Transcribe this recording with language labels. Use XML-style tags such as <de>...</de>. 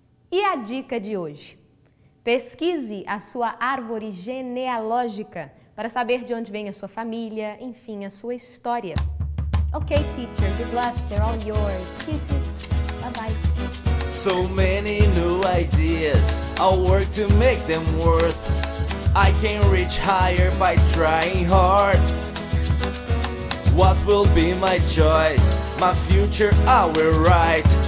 <pt>E a dica de hoje? Pesquise a sua árvore genealógica para saber de onde vem a sua família, enfim, a sua história.</pt> <en>Ok, teacher, good luck, they're all yours. Kisses, bye-bye. So many new ideas, I'll work to make them worth. I can reach higher by trying hard. What will be my choice? My future I will write.</en>